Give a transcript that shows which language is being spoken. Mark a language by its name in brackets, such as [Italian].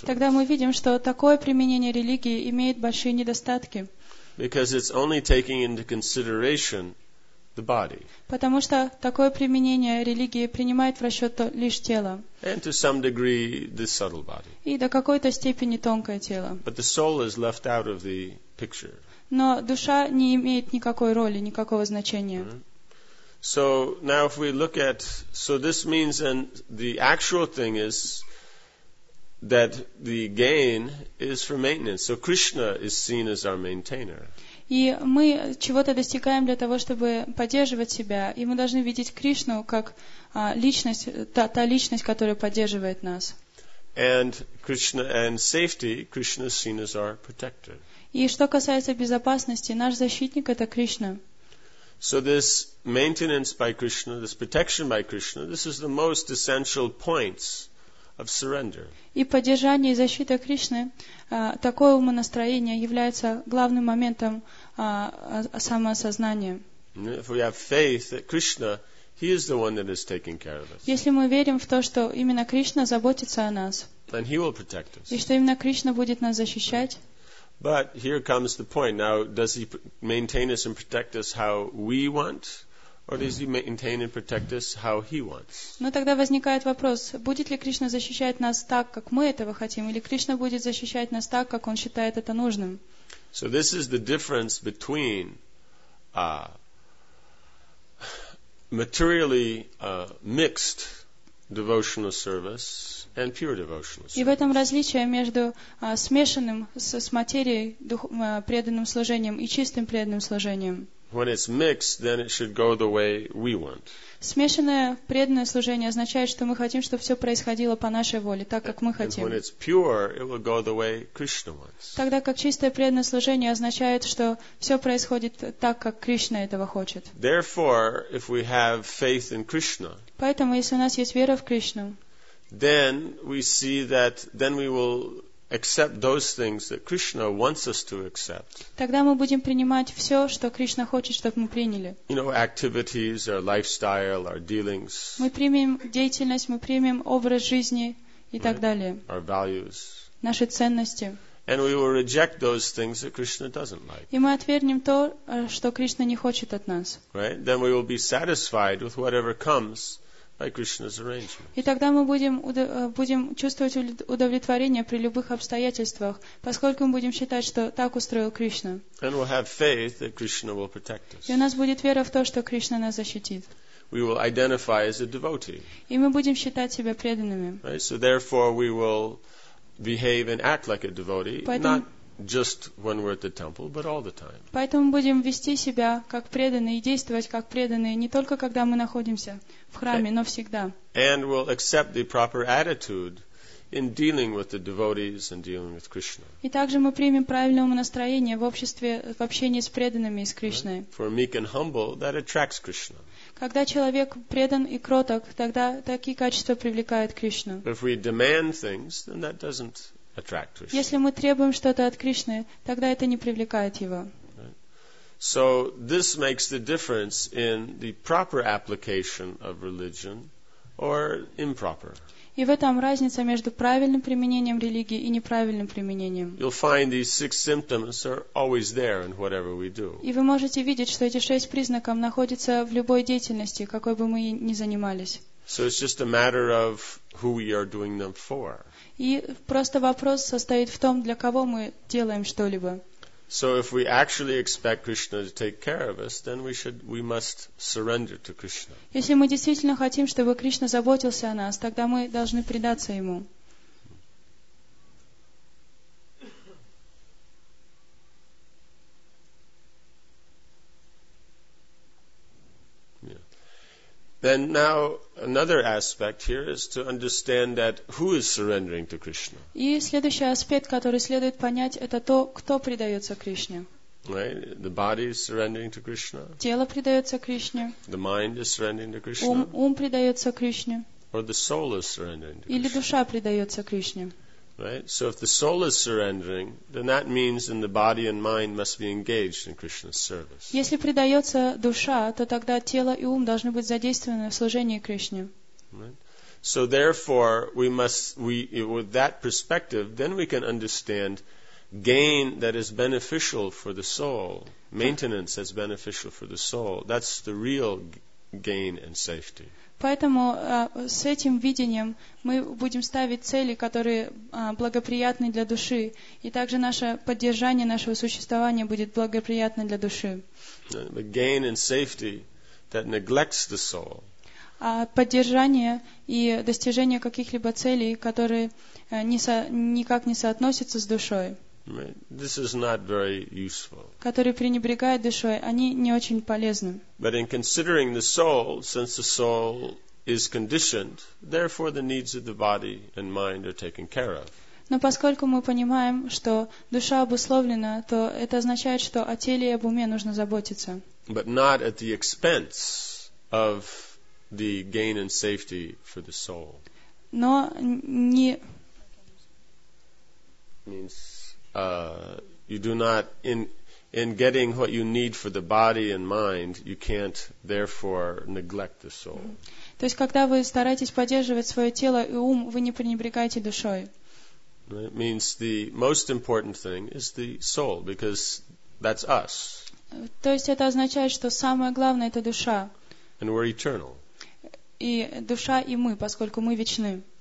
[Russian] Тогда мы видим, что такое применение религии имеет большие недостатки. [English] Because it's only taking into consideration the body. [Russian] Потому что такое применение религии принимает в расчет лишь тело. [English] And to some degree the subtle body. [Russian] И до какой-то степени тонкое тело. [English] But the soul is left out of the picture. [Russian] Но душа не имеет никакой роли, никакого значения. [English] So now if we look at, so this means, and the actual thing is, that the gain is for maintenance. So Krishna is seen as our maintainer. [Russian] И мы чего-то достигаем для того, чтобы поддерживать себя. И мы должны видеть Кришну как личность, та личность, которая поддерживает нас. [English] And Krishna and safety, Krishna is seen as our protector. [Russian] И что касается безопасности, наш защитник это Кришна. [English] So this maintenance by Krishna, this protection by Krishna, this is the most essential points of surrender. [Russian] И поддержание и защита Кришны, такое умонастроение является главным моментом самоосознания. [English] If we have faith that Krishna, He is the one that is taking care of us. [Russian] Если мы верим в то, что именно Кришна заботится о нас. [English] And He will protect us. [Russian] И что именно Кришна будет нас защищать. [English] But here comes the point. Now, does He maintain us and protect us how we want? Or does He maintain and protect us how He wants? [Russian] Но тогда возникает вопрос, будет ли Кришна защищать нас так, как мы этого хотим, или Кришна будет защищать нас так, как Он считает это нужным? [English] So this is the difference between materially mixed devotional service and pure devotional service. [Russian] И в этом различие между смешанным с материей преданным служением и чистым преданным служением. [English] When it's mixed, then it should go the way we want. [Russian] Смешанное преданное служение означает, что мы хотим, чтобы все происходило по нашей воле, так как мы хотим. [English] When it's pure, it will go the way Krishna wants. [Russian] Тогда как чистое преданное служение означает, что все происходит так, как Кришна этого хочет. [English] Therefore, if we have faith in Krishna, [Russian] поэтому если у нас есть вера в Кришну, [English] then we see that then we will accept those things that Krishna wants us to accept. [Russian] Тогда мы будем принимать все, что Кришна хочет, чтобы мы приняли. [English] You know, activities, our lifestyle, our dealings. [Russian] Мы примем деятельность, мы примем образ жизни и так далее. [English] Our values. [Russian] Наши ценности. [English] And we will reject those things that Krishna doesn't like. [Russian] И мы отвергнем то, что Кришна не хочет от нас. [English] Right? Then we will be satisfied with whatever comes. By Krishna's arrangement. [Russian] И тогда мы будем чувствовать удовлетворение при любых обстоятельствах, поскольку мы будем считать, что так устроил Кришна. [English] And we'll have faith that Krishna will protect us. [Russian] И у нас будет вера в то, что Кришна нас защитит. [English] We will identify as a devotee. [Russian] И мы будем считать себя преданными. [English] Right? So therefore we will behave and act like a devotee. Just when we're at the temple, but all the time. [Russian] Поэтому будем вести себя как преданные и действовать как преданные не только когда мы находимся в храме, но всегда. [English] And we'll accept the proper attitude in dealing with the devotees and dealing with Krishna. [Russian] И также мы примем правильное настроение в обществе, в общении с преданными и с Кришной. [English] Right? For meek and humble, that attracts Krishna. [Russian] Когда человек предан и кроток, тогда такие качества привлекают Кришну. [English] If we demand things, then that doesn't. [Russian] Если мы требуем что-то от Кришны, тогда это не привлекает его. [English] So this makes the difference in the proper application of religion or improper. [Russian] И в этом разница между правильным применением религии и неправильным применением. [English] You'll find these six symptoms are always there in whatever we do. [Russian] И вы можете видеть, что эти шесть признаков находятся в любой деятельности, какой бы мы ни занимались. [English] So it's just a matter of who we are doing them for. [Russian] И просто вопрос состоит в том, для кого мы делаем что-либо. [English] So if we actually expect Krishna to take care of us, then we must surrender to Krishna. [Russian] Если мы действительно хотим, чтобы Кришна заботился о нас, тогда мы должны предаться ему. [English] Then now another aspect here is to understand that who is surrendering to Krishna. [Russian] И следующий аспект, который следует понять, это то, кто предается Кришне. [English] Right, the body is surrendering to Krishna. [Russian] Тело предается Кришне. [English] The mind is surrendering to Krishna. [Russian] Ум предается Кришне. [English] Or the soul is surrendering to Krishna. [Russian] Или душа предается Кришне. [English] Right, so if the soul is surrendering, then that means that the body and mind must be engaged in Krishna's service. [Russian] Если предается душа, то тогда тело и ум должны быть задействованы в служении Кришне. [English] So therefore, with that perspective, then we can understand gain that is beneficial for the soul, maintenance that's beneficial for the soul. That's the real gain and safety. [Russian] Поэтому с этим видением мы будем ставить цели, которые благоприятны для души, и также наше поддержание нашего существования будет благоприятно для души. [English] The gain and safety that neglects the soul. [Russian] поддержание и достижение каких-либо целей, которые никак не соотносятся с душой. [English] This is not very useful. [Russian] Которые пренебрегают душой, они не очень полезны. [English] But in considering the soul, since the soul is conditioned, therefore the needs of the body and mind are taken care of. [Russian] Но поскольку мы понимаем, что душа обусловлена, то это означает, что о теле и об уме нужно заботиться. [English] But not at the expense of the gain and safety for the soul. [Russian] Но не [English] means you do not in getting what you need for the body and mind, you can't therefore neglect the soul. [Russian] То есть когда вы стараетесь поддерживать свое тело и ум, вы не пренебрегаете душой. [English] It means the most important thing is the soul, because that's us. [Russian] То есть это означает, что самое главное это душа. [English] And we're eternal. [Russian] И душа и мы, поскольку мы вечны.